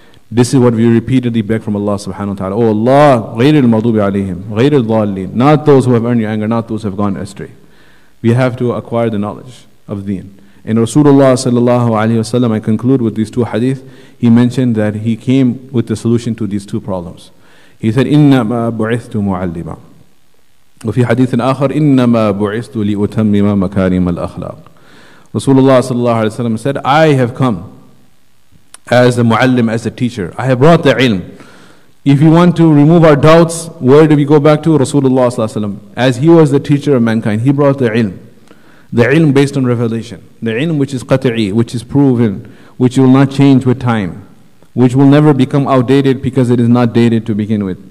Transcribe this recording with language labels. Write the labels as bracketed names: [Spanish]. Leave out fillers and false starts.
[English] This is what we repeatedly beg from Allah subhanahu wa ta'ala. Oh Allah, [Arabic] غَيْرِ الْمَغْضُوبِ عَلَيْهِمْ غَيْرِ الْضَالِّينَ, [English] not those who have earned your anger, not those who have gone astray. We have to acquire the knowledge of deen. And Rasulullah sallallahu alayhi wasallam, I conclude with these two hadith, he mentioned that he came with the solution to these two problems. He said, [Arabic] إِنَّمَا بُعِثْتُ مُعَلِّمًا. وفي حديث آخر إنما بعثت لأتمم مكارم الأخلاق. رسول الله صلى الله عليه وسلم [English] said, I have come as a معلم, as a teacher. I have brought the علم. If you want to remove our doubts, where do we go back to? [Arabic] رسول الله صلى الله عليه وسلم, [English] as he was the teacher of mankind, he brought the علم. The ilm based on revelation. The ilm which is qat'i, which is proven, which will not change with time, which will never become outdated because it is not dated to begin with.